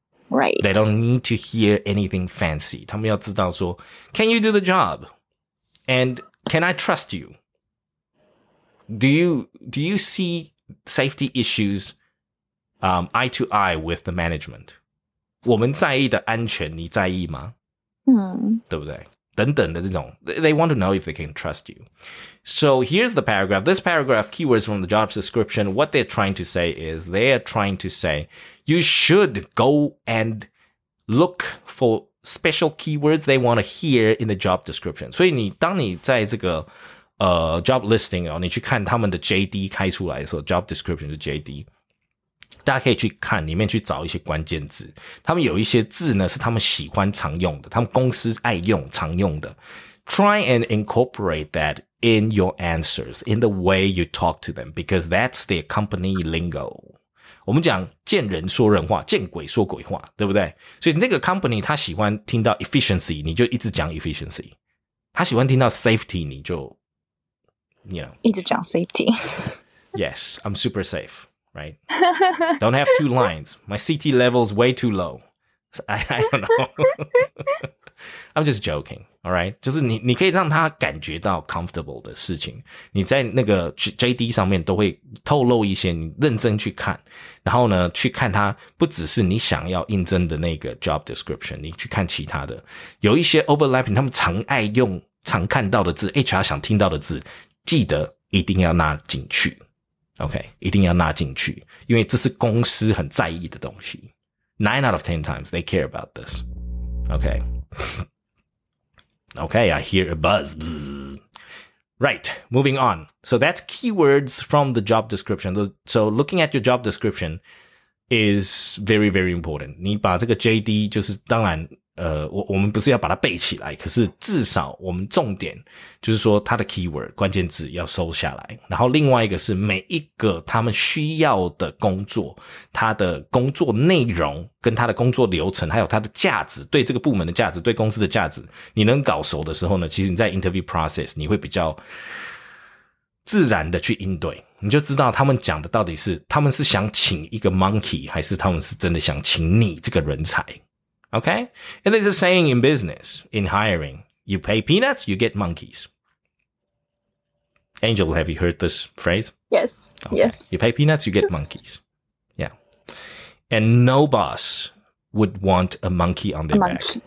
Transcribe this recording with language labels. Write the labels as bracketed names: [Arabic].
[English] Right. They don't need to hear anything fancy. [Chinese] 他们要知道说 [English] can you do the job? And can I trust you? Do you see safety issues eye to eye with the management? [Chinese] 我们在意的安全你在意吗？嗯，对不对？等等的这种 [English] they want to know if they can trust you. So here's the paragraph. This paragraph, keywords from the job description, what they're trying to say is they're trying to say you should go and look for special keywords they want to hear in the job description. [Chinese] 所以你当你在这个job listing 哦，你去看他们的 JD 开出来的时候 ，job description 是 JD， 大家可以去看里面去找一些关键字。他们有一些字呢是他们喜欢常用的，他们公司爱用常用的。 [English] Try and incorporate that in your answers, in the way you talk to them, because that's their company lingo. [Chinese] 我们讲见人说人话，见鬼说鬼话，对不对？所以那个 company 他喜欢听到 efficiency， 你就一直讲 efficiency； 他喜欢听到 safety， 你就 [English] You know, [Chinese] 一直讲 safety. [English] Yes, I'm super safe, right? Don't have two lines. My CT level is way too low. I don't know. I'm just joking, all right? [Chinese] 就是你可以让他感觉到 comfortable 的事情，你在那个 JD 上面都会透露一些，你认真去看，然后呢，去看他不只是你想要应征的那个 job description， 你去看其他的，有一些 overlapping， 他们常爱用、常看到的字 ，HR 想听到的字。记得一定要纳进去 ，OK， 一定要纳进去，因为这是公司很在意的东西。 [English] Nine out of ten times, they care about this. Okay, okay, I hear a buzz. Right, moving on. So that's keywords from the job description. So looking at your job description is very, very important. [Chinese] 你把这个 JD 就是当然。我们不是要把它背起来，可是至少我们重点就是说它的 keyword 关键字要收下来，然后另外一个是每一个他们需要的工作，他的工作内容跟他的工作流程，还有他的价值，对这个部门的价值，对公司的价值，你能搞熟的时候呢，其实你在 interview process 你会比较自然的去应对，你就知道他们讲的到底是他们是想请一个 monkey 还是他们是真的想请你这个人才。 [English] Okay? And there's a saying in business, in hiring, you pay peanuts, you get monkeys. Angel, have you heard this phrase? Yes. Okay. Yes. You pay peanuts, you get monkeys. Yeah. And no boss would want a monkey on their back.